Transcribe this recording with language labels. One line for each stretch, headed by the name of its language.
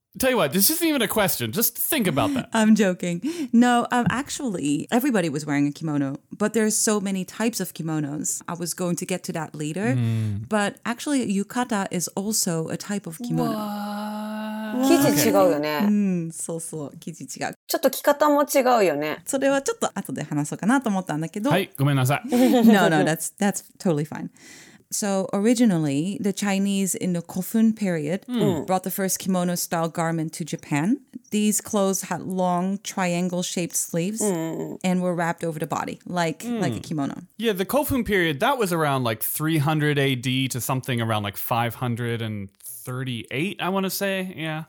English: Tell you what, this isn't even a question. Just think about that. I'm joking. No, actually, everybody was wearing a kimono, but there's so many types of kimonos. I was going to get to that later. But actually, yukata is also a type of kimono.
Japanese: What? 生地違うよね。そうそう、生地違う。ちょっと着方も違うよね。それはちょっと後で話そうかなと思ったんだけど。はい、ごめんなさい。
English: No, that's totally fine. So originally, the Chinese in the Kofun period brought the first kimono-style garment to Japan. These clothes had long triangle-shaped sleeves and were wrapped over the body, like a kimono. Yeah, the Kofun period, that was around like 300 AD to something around like 538, I want to say, yeah.